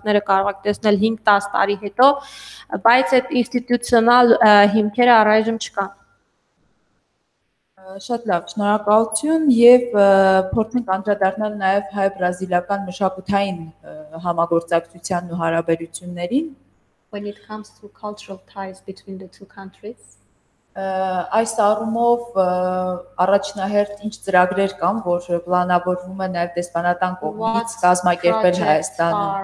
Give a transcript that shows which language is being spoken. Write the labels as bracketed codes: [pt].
[hy] կարող եք տեսնել 5-10 տարի հետո, բայց այդ ինստիտուցիոնալ հիմքերը առայժմ չկան։ Շատ լավ, շնորհակալություն, եւ փորձենք անդրադառնալ նաեւ հայ-բրազիլական մշակութային համագործակցության ու հարաբերություններին։ [en] When it comes to cultural ties between the two countries, [hy] այս առումով առաջնահերթ ինչ ծրագրեր կան, որ պլանավորվում է նաև դեսպանատան կողմից կազմակերպել Հայաստանը,